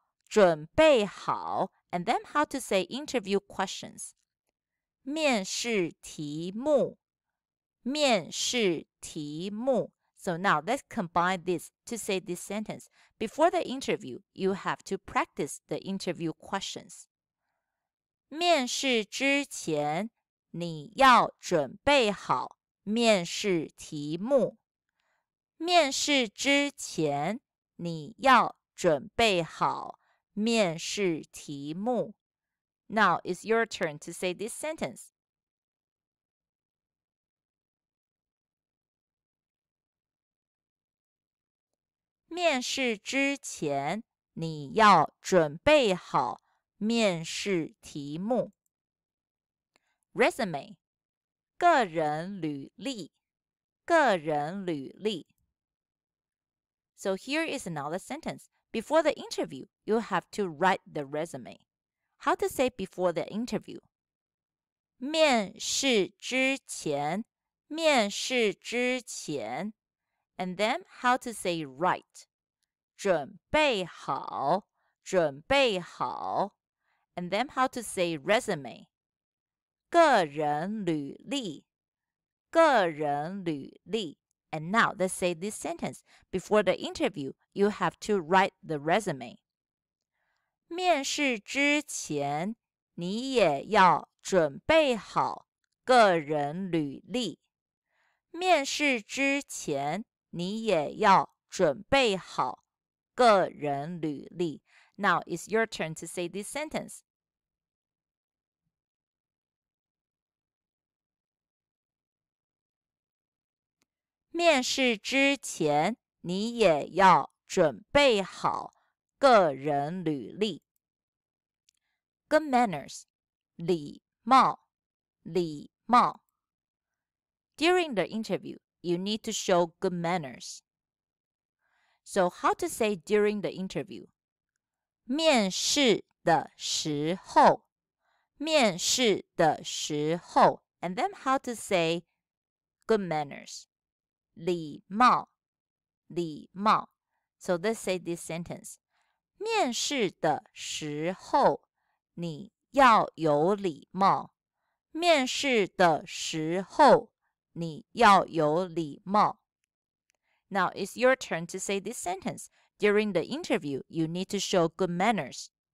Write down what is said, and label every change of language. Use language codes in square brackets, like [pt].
[zh] 准备好。 [en] And then how to say interview questions. [zh] 面试题目, 面试题目。 [en] So now let's combine this to say this sentence. Before the interview, you have to practice the interview questions. [zh] 面试之前,你要准备好面试题目。面试之前,你要准备好面试题目。 [en] Now it's your turn to say this sentence. [zh] 面试之前，你要准备好面试题目。 [en] Resume， [zh] 个人履历，个人履历。 [en] So here is another sentence. Before the interview, you have to write the resume. How to say before the interview? [zh] 面试之前, 面试之前。 [en] And then how to say write? [zh] 准备好, 准备好。 [en] And then how to say resume? [zh] 个人履历, 个人履历。 [en] And now, let's say this sentence. Before the interview, you have to write the resume. [zh] 面试之前,你也要准备好个人履历。面试之前,你也要准备好个人履历。 [en] Now, it's your turn to say this sentence. [zh] 面试之前，你也要准备好个人履历。 [en] Good manners, [zh] 礼貌，礼貌。 [en] During the interview, you need to show good manners. So how to say during the interview? [zh] 面试的时候，面试的时候。 [en] And then how to say good manners? [zh] 礼貌, 礼貌。 [en] So let's say this sentence. [zh] 面试的时候,你要有礼貌。面试的时候,你要有礼貌。 [en] Now it's your turn to say this sentence. During the interview, you need to show good manners.